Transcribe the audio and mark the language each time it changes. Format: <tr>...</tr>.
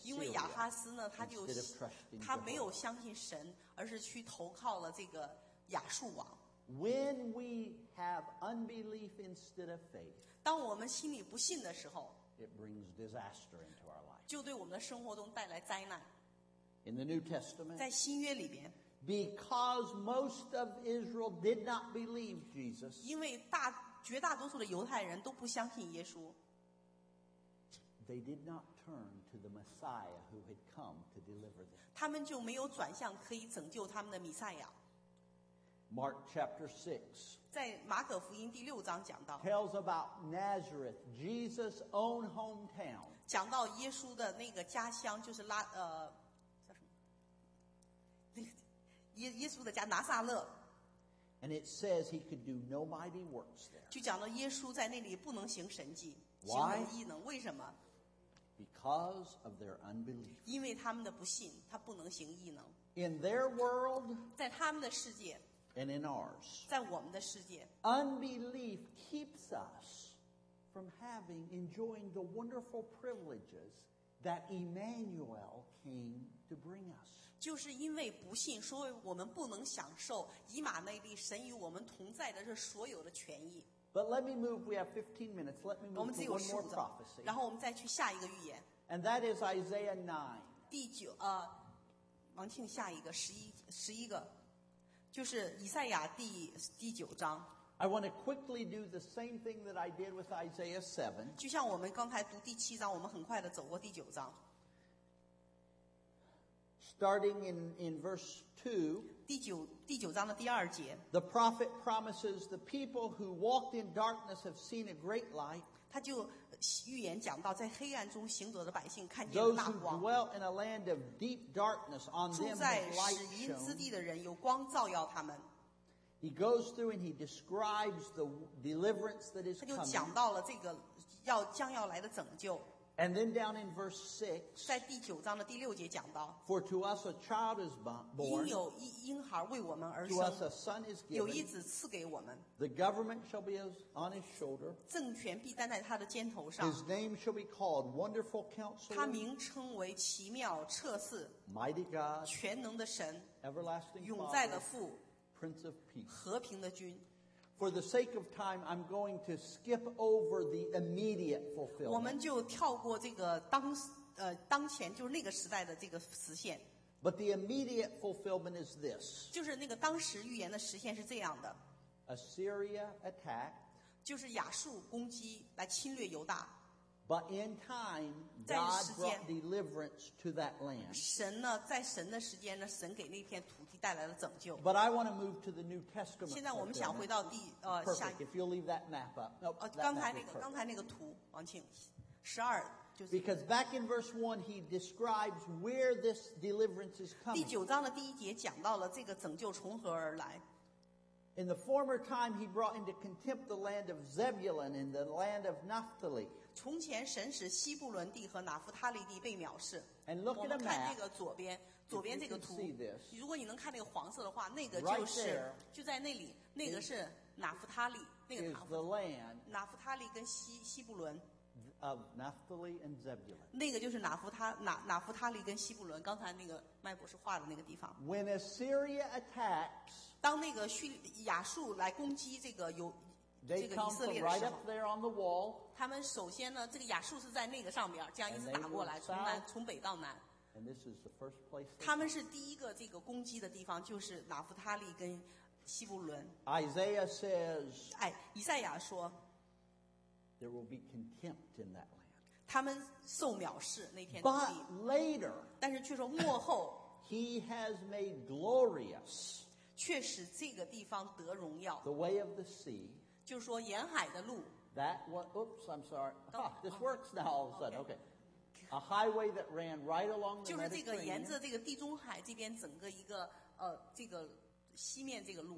<zh>因为亚哈斯呢，他就他没有相信神，而是去投靠了这个亚述王。</zh> <en>When we have unbelief instead of faith,</en> <zh>当我们心里不信的时候</zh> <en>，it brings disaster into our life.</en> <zh>就对我们的生活中带来灾难。</zh> <en>In the New Testament,</en> <zh>在新约里边</zh> <en>，because most of Israel did not believe Jesus,</en> <zh>因为绝大多数的犹太人都不相信耶稣。</zh> <en>They did not turn to the Messiah who had come to deliver them.</en> <zh>他们就没有转向可以拯救他们的弥赛亚。</zh> <en>Mark chapter 6.</en> <zh>在马可福音第六章讲到。</zh> <en>Tells about Nazareth, Jesus' own hometown.</en> <zh>讲到耶稣的那个家乡就是叫什么？耶稣的家拿撒勒。</zh> <en>And it says he could do no mighty works there.</en> <zh>就讲到耶稣在那里不能行神迹，行异能，为什么？</zh> <en>Because of their unbelief,</en> <zh>因为他们的不信，他不能行异能。</zh> <en>In their world,</en> <zh>在他们的世界</zh> <en>，and in ours,</en> <zh>在我们的世界</zh> <en>，unbelief keeps us from having enjoying the wonderful privileges that Emmanuel came to bring us.</en> <zh>就是因为不信，所以我们不能享受以马内利神与我们同在的这所有的权益。</zh> <en>But let me move. We have 15 minutes. Let me move to one more prophecy.</en> <zh>然后我们再去下一个预言。</zh> <en>And that is Isaiah 9.</en> <zh>第九王庆下一个十一个，就是以赛亚第九章。</zh> <en>I want to quickly do the same thing that I did with Isaiah 7.</en> <zh>就像我们刚才读第七章，我们很快的走过第九章。</zh> <en>Starting in verse 2,</en> <zh>第九章的第二节</zh> <en>the prophet promises the people who walked in darkness have seen a great light.</en> <zh>他就预言讲到在黑暗中行走的百姓看见大光。</zh> <en>Those who dwell in a land of deep darkness on them light shone.</en> <zh>住在死荫之地的人有光照耀他们。</zh> <en>He goes through and he describes the deliverance that is coming.</en> <zh>他就讲到了这个要将要来的拯救。</zh> <en>And then down in verse 6,</en> <zh>在第九章的第六节讲到,</zh> <en>For to us a child is born,</en> <zh>应有婴孩为我们而生,</zh> <en>to us a son is given,</en> <zh>有一子赐给我们,</zh> <en>the government shall be on his shoulder,</en> <zh>政权必担在他的肩头上,</zh> <en>his name shall be called Wonderful Counselor,</en> <zh>他名称为奇妙彻似,</zh> <en>Mighty God,</en> <zh>全能的神,</zh> <en>Everlasting Father,</en> <zh>永在的父,</zh> <en>Prince of Peace,</en> <zh>和平的君。</zh> <en>For the sake of time, I'm going to skip over the immediate fulfillment.</en> <zh>我们就跳过这个当当前就是那个时代的这个实现。</zh> <en>But the immediate fulfillment is this.</en> <zh>就是那个当时预言的实现是这样的。</zh> <en>Assyria attack.</en> <zh>就是亚述攻击来侵略犹大。</zh> <en>But in time, God brought deliverance to that land.</en> <zh>神呢，在神的时间呢，神给那片土地带来了拯救。</zh> <en>But I want to move to the New Testament.</en> <zh>现在我们想回到第</zh> <en>下。If you'll leave that map up.</en> <zh>刚才那个图，王庆，十二就是。</zh> <en>Because back in verse 1, he describes where this deliverance is coming.</en> <zh>第九章的第一节讲到了这个拯救从何而来。</zh> <en>In the former time, he brought into contempt the land of Zebulun and the land of Naphtali.</en> <zh>从前神使西布伦地和拿弗他利地被藐视。</zh> <en>And look at a map.</en> <zh>我们看这个左边，左边这个图。</zh> <en>If you can see this,</en> <zh>如果你能看那个黄色的话，那个就是</zh> <en>right there,</en> <zh>就在那里，那个是拿弗他利，那个</zh> <en>是 the land.</en> <zh>拿弗他利跟西布伦。</zh> <en>Of Naphtali and Zebulun.</en> <zh>那个就是拿弗他利跟西布伦，刚才那个麦博士画的那个地方。</zh> <en>When Assyria attacks.</en> <zh>当那个亚述来攻击这个有。</zh> <en>They come from right up there on the wall.</en> <zh>他们首先呢，这个亚述是在那个上边，这样一直打过来，从北到南。</zh> <en>And this is the first place.</en> <zh>他们是第一个这个攻击的地方，就是拿弗他利跟西布伦。</zh> <en>Isaiah says.</en> <zh>哎，以赛亚说。</zh> <en>There will be contempt in that land.</en> <zh>他们受藐视那片土地。</zh> <en>But later.</en> <zh>但是却说末后。</zh> <en>He has made glorious.</en> <zh>却使这个地方得荣耀。</zh> <en>The way of the sea.</en> <zh>就说沿海的路</zh> <en>that one, oops, I'm sorry. This works now all of a sudden. Okay. A highway that ran right along the Mediterranean.</en> <zh>就是这个沿着这个地中海这边整个一个这个西面这个路。</zh>